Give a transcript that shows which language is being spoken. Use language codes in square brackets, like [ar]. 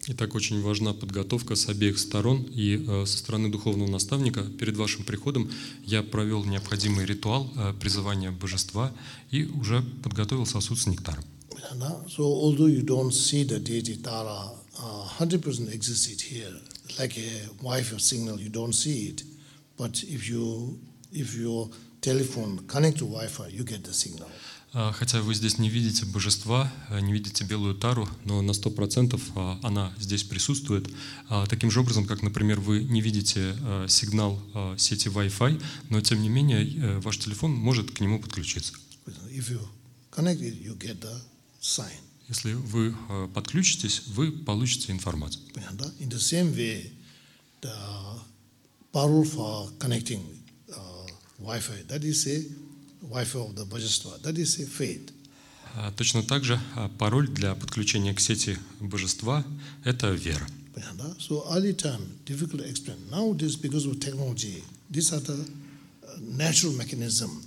[ru] Итак, очень важна подготовка с обеих сторон и со стороны духовного наставника перед вашим приходом. Я провел необходимый ритуал призывания божества и уже подготовил сосуд с нектаром. [en] So although you don't see the deity Tara 100% existed here, like a Wi-Fi signal, you don't see it, but if your telephone connects to Wi-Fi, you get the signal. [ru] Хотя вы здесь не видите божества, не видите белую тару, но на 100% она здесь присутствует. Таким же образом, как, например, вы не видите сигнал сети Wi-Fi, но тем не менее ваш телефон может к нему подключиться. [en] If you connect it, you get the sign. [ru] Если вы подключитесь, вы получите информацию. Понятно? [en] In the same way, the parole for connecting Wi-Fi, that is a Wi-Fi of the [ru] Божества, [en] that is a faith. [ru] Точно так же пароль для подключения к сети Божества – это вера. Понятно? [en] So early time, difficult to explain. Nowadays, because of technology, these are the natural mechanism.